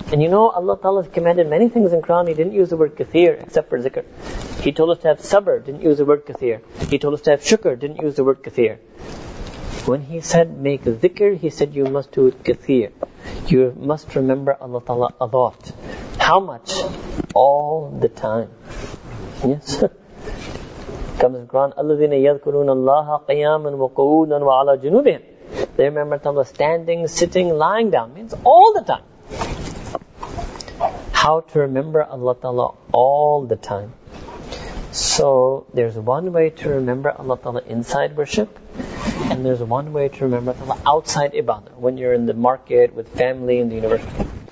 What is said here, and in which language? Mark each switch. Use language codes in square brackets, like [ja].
[en] And you know, Allah Ta'ala has commanded many things in Quran. He didn't use the word kathir except for zikr. He told us to have sabr, didn't use the word kathir. He told us to have shukr, didn't use the word kathir. When He said make dhikr, He said you must do it kathir. You must remember Allah Ta'ala a lot. How much? All the time. Yes? Comes in Quran, [ar] أَلَّذِينَ يَذْكُرُونَ اللَّهَ قِيَامًا وَقُعُودًا وَعَلَى جُنُوبِهِمْ. [en] They remember Allah standing, sitting, lying down. Means all the time. How to remember Allah Ta'ala all the time. So, there's one way to remember Allah Ta'ala inside worship, and there's one way to remember Allah outside ibadah, when you're in the market, with family, in the university.